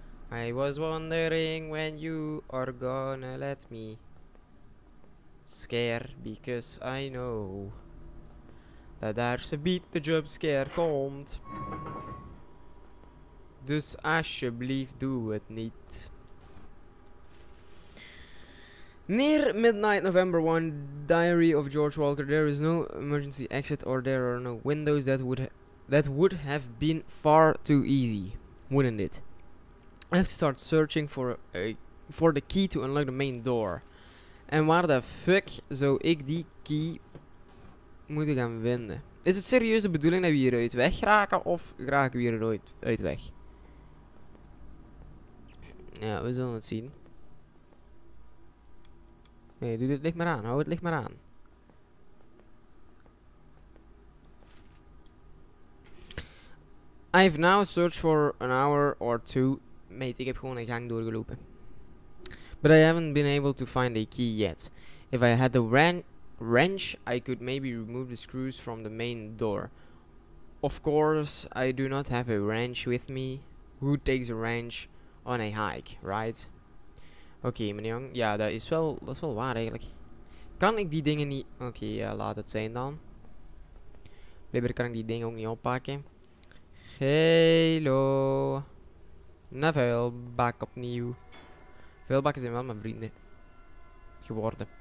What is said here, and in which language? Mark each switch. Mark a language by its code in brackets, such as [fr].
[en] I was wondering when you are gonna let me. Scare, because I know that there's a beat the jump scare komt. [nl] Dus alsjeblieft, [en] do it [nl] niet. [en] Near midnight, November 1, Diary of George Walker. There is no emergency exit or there are no windows. That would have been far too easy, wouldn't it? I have to start searching for the key to unlock the main door. [nl] En waar de fuck zou ik die key moeten gaan vinden? Is het serieus de bedoeling dat we hieruit weg raken of raken we hieruit uit weg? Ja, we zullen het zien. Nee, doe dit licht maar aan. Hou het licht maar aan. [en] I've now searched for an hour or two. Mate, [nl] ik heb gewoon een gang doorgelopen. [en] But I haven't been able to find a key yet. If I had the wrench, I could maybe remove the screws from the main door. Of course, I do not have a wrench with me. Who takes a wrench on a hike, right? [nl] Oké, meneer Jong. Ja, dat is wel waar eigenlijk. Kan ik die dingen niet... Oké, laat het zijn dan. Liever kan ik die dingen ook niet oppakken. [en] Hello. Neville, back opnieuw. [nl] Vuilbakken zijn wel mijn vrienden geworden.